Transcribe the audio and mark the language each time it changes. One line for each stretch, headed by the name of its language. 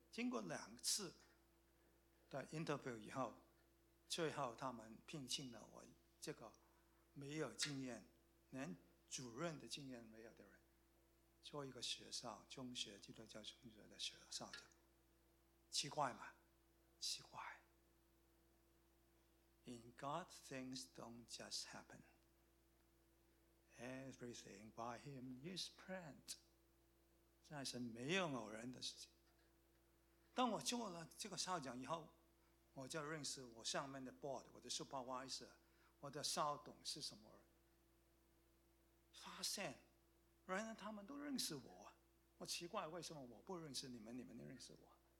Chinese: 经过2次的 interview 以后，最后他们聘请了我这个没有经验、连主任的经验没有的人。做一个学校中学基督教中学的学校长，奇怪吗？奇怪。
English: In God, things don't just happen. Everything by Him is planned.
Chinese: 在神没有偶然的事情。当我做了这个校长以后，我就认识我上面的 board， 我的 supervisor， 我的校董是什么人，发现。然而他们都认识我，我奇怪为什么我不认识你们，你们认识我。